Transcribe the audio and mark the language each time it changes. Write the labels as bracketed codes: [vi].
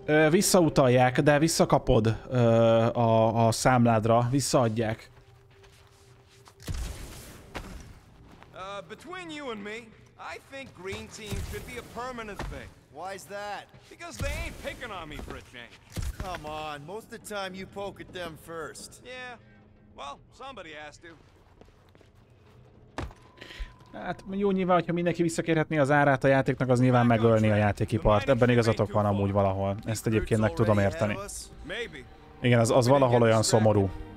[hu] Visszautalják, de visszakapod a számládra, visszaadják. [en] Between you and me, I think green team should be a permanent thing. Why is that? Because they ain't picking on me for a change. Come on, most of the time you poke at them first. Yeah, well, somebody has to. [hu] Hát jó, nyilván, hogyha mindenki visszakérhetné az árát a játéknak, az nyilván megölni a játékipart. Ebben igazatok van amúgy valahol. Ezt egyébként meg tudom érteni. Igen, az valahol olyan szomorú.